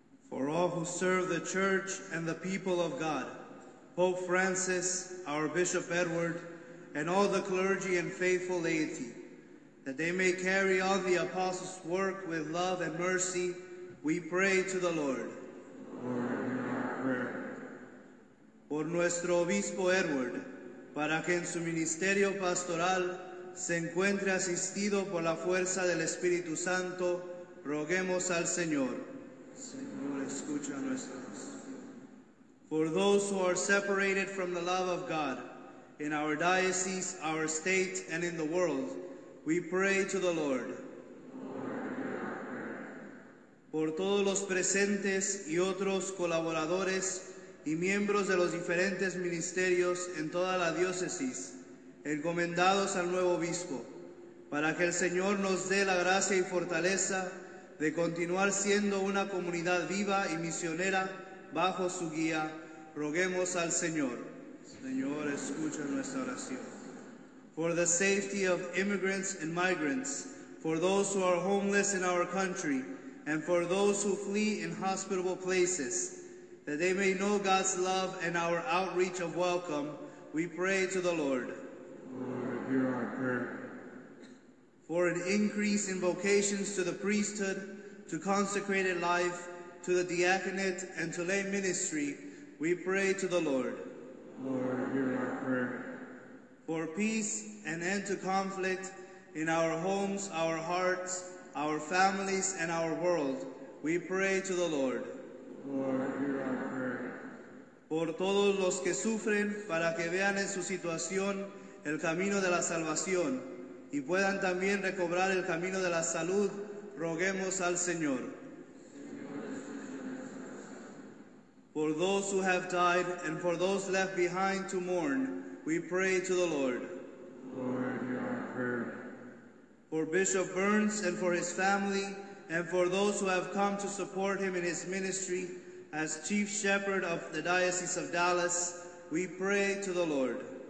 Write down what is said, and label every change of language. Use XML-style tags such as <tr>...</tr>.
<en>For all who serve the Church and the people of God, Pope Francis, our Bishop Edward, and all the clergy and faithful laity, that they may carry on the Apostles' work with love and mercy, we pray to the Lord.</en> <es>Por nuestro obispo Edward, para que en su ministerio pastoral se encuentre asistido por la fuerza del Espíritu Santo, roguemos al Señor. Señor, escucha nuestra oración.</es> <en>For those who are separated from the love of God, in our diocese, our state, and in the world, we pray to the Lord.</en> <es>Por todos los presentes y otros colaboradores, y miembros de los diferentes ministerios en toda la diócesis, encomendados al nuevo obispo, para que el Señor nos dé la gracia y fortaleza de continuar siendo una comunidad viva y misionera bajo su guía, roguemos al Señor. Señor, escucha nuestra oración.</es> <en>For the safety of immigrants and migrants, for those who are homeless in our country, and for those who flee inhospitable places, that they may know God's love and our outreach of welcome, we pray to the Lord. Lord, hear our prayer. For an increase in vocations to the priesthood, to consecrated life, to the diaconate, and to lay ministry, we pray to the Lord. Lord, hear our prayer. For peace and end to conflict in our homes, our hearts, our families, and our world, we pray to the Lord. Lord, hear our prayer.</en> <es>Por todos los que sufren, para que vean en su situación el camino de la salvación y puedan también recobrar el camino de la salud, roguemos al Señor.</es> <en>For those who have died and for those left behind to mourn, we pray to the Lord. Lord, hear our prayer. for Bishop Burns and for his family, and for those who have come to support him in his ministry as Chief Shepherd of the Diocese of Dallas, we pray to the Lord.</en>